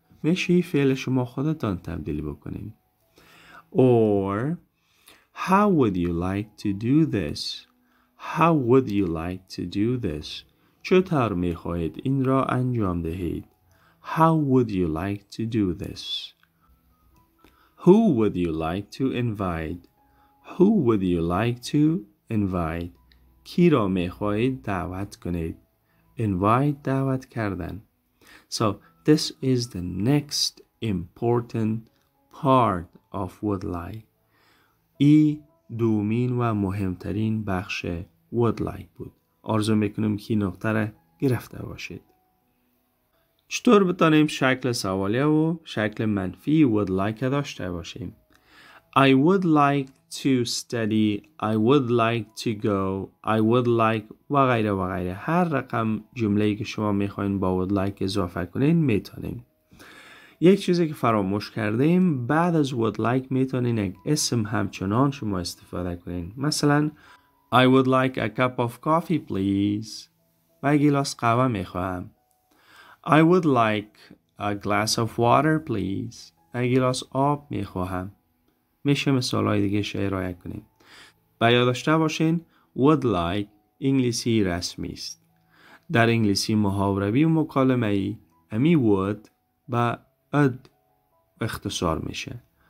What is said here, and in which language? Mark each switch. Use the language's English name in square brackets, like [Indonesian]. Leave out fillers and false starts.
[Persian] میشه فعل شما خودتان تبدیل بکنیم. [English] Or, how would you like to do this? How would you like to do this? [Persian] چطور میخواهید این را انجام دهید؟ [English] How would you like to do this? Who would you like to invite? Who would you like to invite? [Persian] کی را می خواهید دعوت کنید؟ Invite دعوت کردن. [English] So this is the next important part of would like. [Persian] ای دومین و مهمترین بخش would like بود. آرزو میکنم که نقطه را گرفته باشید. چطور بتانیم شکل سوالیه و شکل منفی would like داشته باشیم؟ [English] I would like to study, I would like [Persian] to go, I would like و غیره و غیره. هر رقم جمله‌ای که شما میخواین با would like اضافه کنین میتونیم. یک چیزی که فراموش کردیم، بعد از would like میتونین یک اسم همچنان شما استفاده کنین. [English] مثلا I would like a cup of coffee please. [Persian] و یک گلاس قهوه میخواهم. [English] I would like a glass of water please. [Persian] و یک گلاس آب میخواهم. میشه مثالای دیگه شعر رایت کنیم. بیاداشته باشین would like انگلیسی رسمی است. در انگلیسی محاوروی و مکالمه ای امی would با اد اختصار میشه.